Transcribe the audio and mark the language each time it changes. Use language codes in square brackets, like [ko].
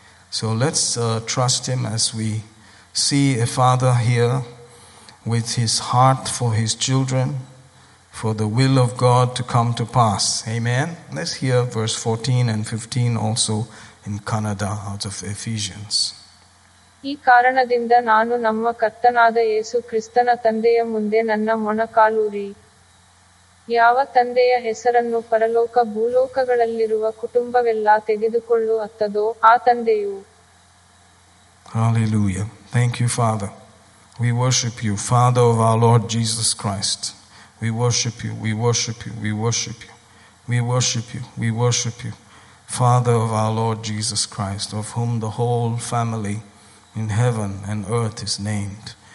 [en] So let's trust Him as we see a Father here with His heart for His children, for the will of God to come to pass. Amen. Let's hear verse 14 and 15 also in Kannada out of Ephesians. [kn] ಈ ಕಾರಣದಿಂದ ನಾನು ನಮ್ಮ ಕರ್ತನಾದ ಯೇಸು ಕ್ರಿಸ್ತನ ತಂದೆಯ ಮುಂದೆ ನನ್ನ ಮೊಣಕಾಲೂರಿ ಯಾವ ತಂದೆಯ ಹೆಸರನ್ನು ಪರಲೋಕ ಭೂಲೋಕಗಳಲ್ಲಿರುವ ಕುಟುಂಬವೆಲ್ಲ ತೆಗೆದುಕೊಳ್ಳು ಅತ್ತದೋ ಆ ತಂದೆಯು. [en] Hallelujah. Thank you, Father. We worship you, Father of our Lord Jesus Christ. We worship you, we worship you, we worship you. We worship you, we worship you. Father of our Lord Jesus Christ, of whom the whole family in heaven and earth is named.